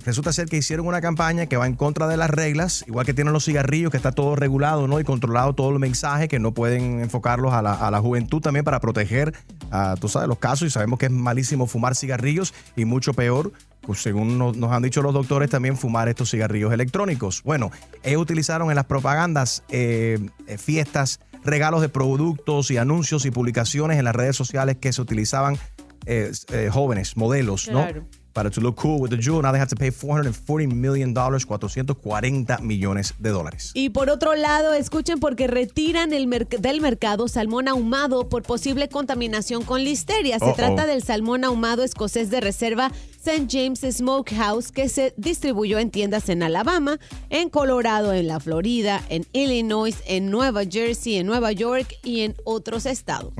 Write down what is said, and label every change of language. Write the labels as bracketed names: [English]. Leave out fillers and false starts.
[Spanish] Resulta ser que hicieron una campaña que va en contra de las reglas, igual que tienen los cigarrillos, que está todo regulado, ¿no? Y controlado todo el mensaje, que no pueden enfocarlos a la juventud también para proteger, tú sabes, los casos. Y sabemos que es malísimo fumar cigarrillos y mucho peor, pues, según nos han dicho los doctores, también fumar estos cigarrillos electrónicos. Bueno, ellos utilizaron en las propagandas fiestas, regalos de productos y anuncios y publicaciones en las redes sociales que se utilizaban jóvenes, modelos, ¿no? Claro. Para [English] to look cool with the jewel, now they have to pay $440 million, [Spanish] $440 millones. Y por otro lado, escuchen, porque retiran del mercado salmón ahumado por posible contaminación con listeria. Se trata del salmón ahumado escocés de reserva St. James Smokehouse, que se distribuyó en tiendas en Alabama, en Colorado, en la Florida, en Illinois, en Nueva Jersey, en Nueva York y en otros estados.